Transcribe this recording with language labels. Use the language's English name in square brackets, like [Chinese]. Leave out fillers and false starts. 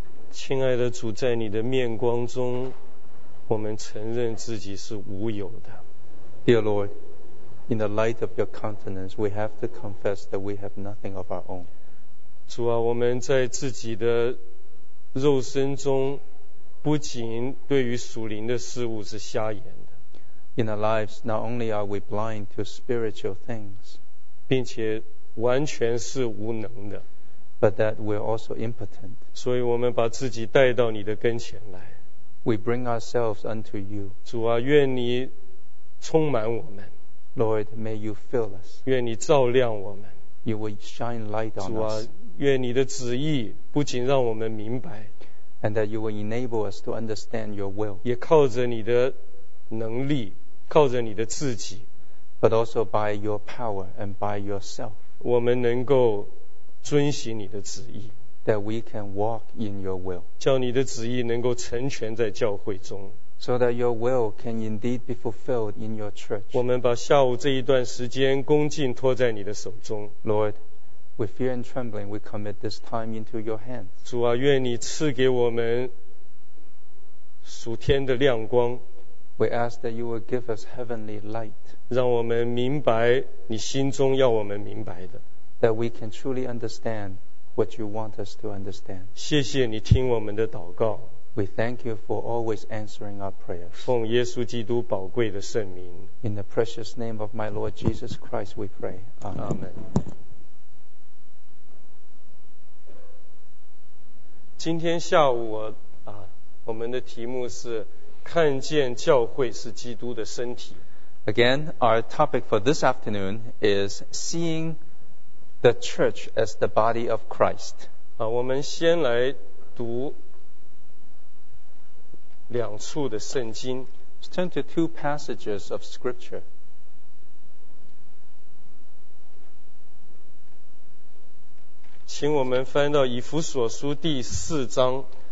[Chinese] 亲爱的主，在你的面光中，我们承认自己是无有的。 [English] Dear Lord, in the light of your countenance, we have to confess that we have nothing of our own. [Chinese] 主啊，我们在自己的肉身中，不仅对于属灵的事物是瞎眼的。 [English] In our lives, not only are we blind to spiritual things, [Chinese] 并且完全是无能的。 [English] But that we're also impotent. [Chinese] 所以我们把自己带到你的跟前来。 [English] We bring ourselves unto you. [Chinese] 主啊，愿你充满我们。 [English] Lord, may you fill us. [Chinese] 愿你照亮我们。 [English] You will shine light on us. [Chinese] 主啊，愿你的旨意不仅让我们明白。 [English] And that you will enable us to understand your will. [Chinese] 也靠着你的能力，靠着你的自己。 [English] But also by your power and by yourself. [Chinese] 我们能够遵行你的旨意。 [English] That we can walk in your will. [Chinese] 叫你的旨意能够成全在教会中。 [English] So that your will can indeed be fulfilled in your church. [Chinese] 我们把下午这一段时间恭敬托在你的手中。 [English] Lord, with fear and trembling, we commit this time into your hands. [Chinese] 主啊，愿你赐给我们属天的亮光。 [English] We ask that you will give us heavenly light. [Chinese] 让我们明白你心中要我们明白的。 [English] That we can truly understand what you want us to understand. [Chinese] 谢谢你听我们的祷告。 [English] We thank you for always answering our prayers. [Chinese] 奉耶稣基督宝贵的圣名。 [English] In the precious name of my Lord Jesus Christ, we pray. Amen. Amen. [Chinese] 今天下午我们的题目是看见教会是基督的身体。 [English] Again, our topic for this afternoon is seeing the church as the body of Christ. [Chinese] 我们先来读两处的圣经。 [English] Let's turn to two passages of scripture. [Chinese] 请我们翻到以弗所书第四章。